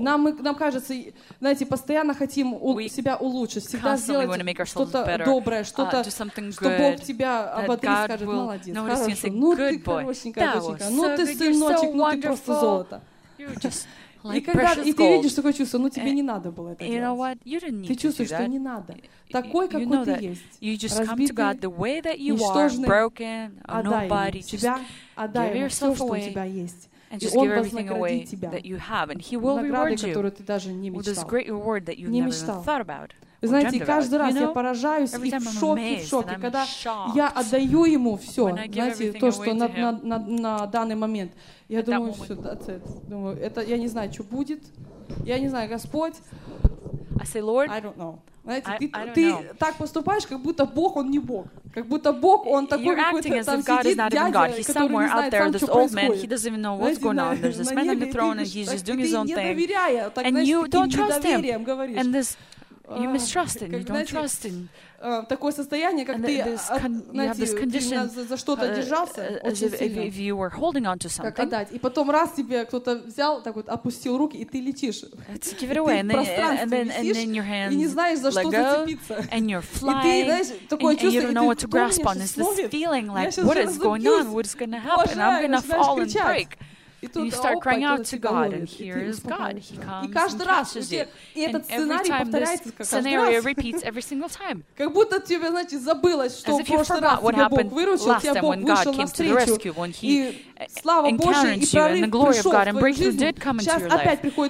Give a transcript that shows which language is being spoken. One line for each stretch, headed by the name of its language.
Russian: Нам кажется, знаете, постоянно хотим себя улучшить, всегда сделать что-то доброе, что-то, что Бог тебя ободрит, скажет, молодец, хорошо. Ну ты хорошенькая доченька. Ну ты сыночек, ну ты просто золото. И когда и ты видишь такое чувство, ну тебе не надо было это делать. Ты чувствуешь, что не надо. Такой, какой ты есть.
English: You just come to God the way that you are, broken, nobody.
Russian: Тебя отдай ему все, что у тебя есть.
English: And just give everything away that you have. And he will reward you with this great reward that you've never even thought about.
Russian: Вы знаете, каждый раз я поражаюсь и в шоке, когда я отдаю ему все, знаете, то, что на данный момент. Я думаю, все, думаю, это я не знаю, что будет. Я не знаю, Господь.
English: I say, Lord, I don't know.
Russian: Знаете, ты так поступаешь, как будто Бог, он не Бог. Как будто Бог, он такой какой-то там сидит, дядя, который не знает, там, что происходит. Знаете, на небе видишь, так ты не доверяя, так, знаете, таким недоверием говоришь.
English: You mistrust him, you don't trust him.
Russian: Такое состояние, как ты, знаете, за что-то держался очень сильно, как отдать. И потом раз тебе кто-то взял, так вот опустил руки, и ты летишь. Ты в пространстве висишь, и не знаешь, за что зацепиться. И ты, знаешь, такое чувство, и ты думаешь, что словит. Я сейчас разобьюсь. Боже, я начинаю кричать.
English: And you start crying out to God, and here is God. He comes and catches you. And every time this scenario repeats every single time. As if you forgot what happened last time when God came to the rescue, when He encountered you, and the glory of God and breakthrough did come into your life.